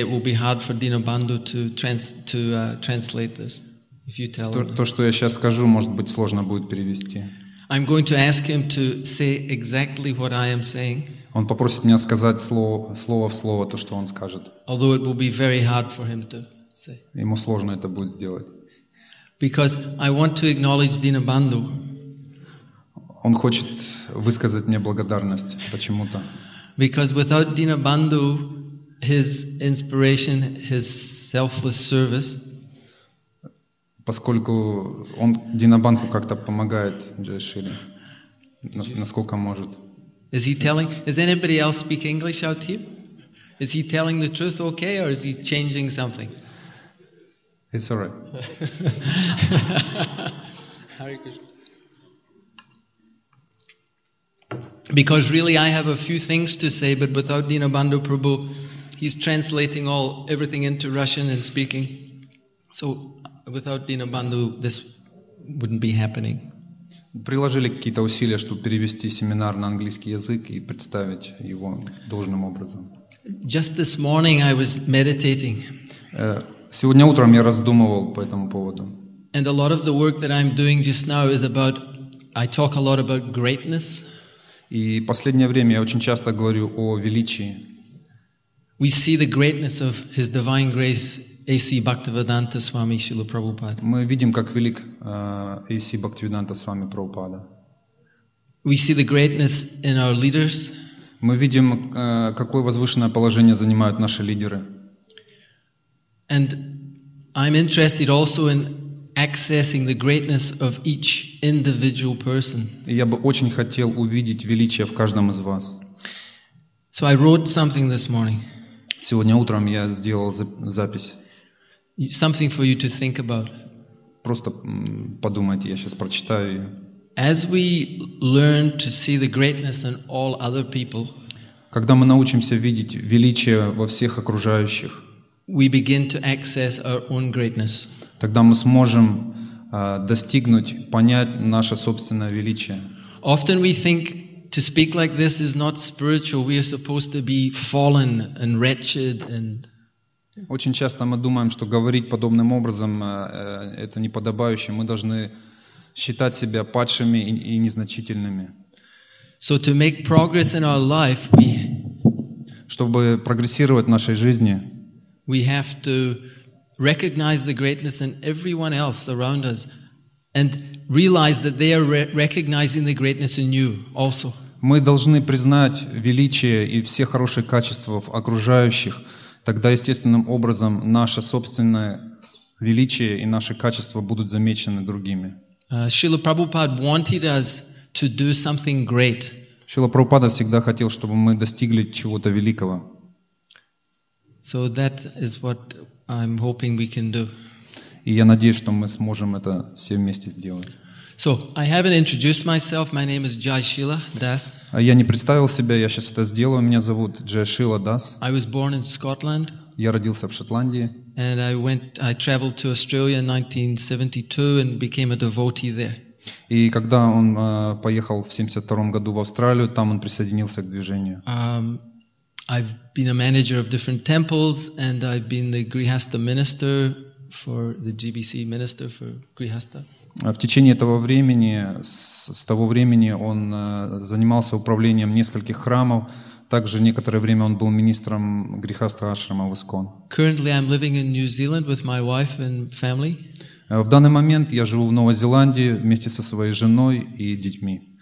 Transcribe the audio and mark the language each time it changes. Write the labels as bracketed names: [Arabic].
[English] It will be hard for Dinobandhu to translate this, if you tell him. [Russian] То, что я сейчас скажу, может быть, сложно будет перевести. [English] I'm going to ask him to say exactly what I am saying. [Russian] Он попросит меня сказать слово в слово то, что он скажет. [English] Although it will be very hard for him to say. [Russian] Ему сложно это будет сделать. [English] Because I want to acknowledge Dinobandhu. [Russian] Он хочет высказать мне благодарность почему-то. [English] Because without Dinobandhu, his inspiration, his selfless service. [Russian] Поскольку он Dinobandhu как-то помогает Джай Шиле, насколько может. [English] Is he telling? Is anybody else speak English out here? Is he telling the truth okay, or is he changing something? It's all right. Hare Krishna. Because really I have a few things to say, but without Dinabandhu Prabhu, he's translating everything into Russian and speaking. So without Dinabandhu, this wouldn't be happening. [Russian] Приложили какие-то усилия, чтобы перевести семинар на английский язык и представить его должным образом. [English] Just this morning I was meditating. [Russian] Сегодня утром я раздумывал по этому поводу. [English] And a lot of the work that I'm doing just now is about, I talk a lot about greatness. [Russian] И последнее время я очень часто говорю о величии. [English] We see the greatness of His Divine Grace A.C. Bhaktivedanta Swami Srila Prabhupada. [Russian] Мы видим, как велик A.C. Bhaktivedanta Swami Prabhupada. [English] We see the greatness in our leaders. [Russian] Мы видим, какое возвышенное положение занимают наши лидеры. [English] And I'm interested also in accessing the greatness of each individual person. [Russian] Я бы очень хотел увидеть величие в каждом из вас. [English] So I wrote something this morning. [Russian] Сегодня утром я сделал запись. [English] Something for you to think about. [Russian] Просто подумайте, я сейчас прочитаю ее. [English] As we learn to see the greatness in all other people, [Russian] когда мы научимся видеть величие во всех окружающих, [English] we begin to access our own greatness. [Russian] Тогда мы сможем достигнуть, понять наше собственное величие. [English] Often we think to speak like this is not spiritual. We are supposed to be fallen and wretched and [Russian] очень часто мы думаем, что говорить подобным образом это неподобающе. Мы должны считать себя падшими и незначительными. [English] So to make progress in our life, we, [Russian] чтобы прогрессировать в нашей жизни, [English] we have to recognize the greatness in everyone else around us and realize that they are recognizing the greatness in you also. [Russian] Мы должны признать величие и все хорошие качества в окружающих. Тогда естественным образом наше собственное величие и наши качества будут замечены другими. [English] Шрила Прабхупад wanted us to do something great. [Russian] Шрила Прабхупада всегда хотел, чтобы мы достигли чего-то великого. [English] So that is what I'm hoping we can do. [Russian] И я надеюсь, что мы сможем это все вместе сделать. [English] So, I haven't introduced myself. My name is Jai Shila Das. [Russian] Я не представил себя. Я сейчас это сделаю. Меня зовут Jai Shila Das. [English] I was born in Scotland. [Russian] Я родился в Шотландии. [English] And I traveled to Australia in 1972 and became a devotee there. [Russian] И когда он поехал в 72 году в Австралию, там он присоединился к движению. [English] I've been a manager of different temples and I've been the Grihastha minister for the GBC minister for Grihastha. [Russian] В течение этого времени, с того времени он занимался управлением нескольких храмов. Также некоторое время он был министром Грихастха Ашрама в Искон. [English] Currently I'm living in New Zealand with my wife and family. [Russian] В данный момент я живу в Новой Зеландии вместе со своей женой и детьми.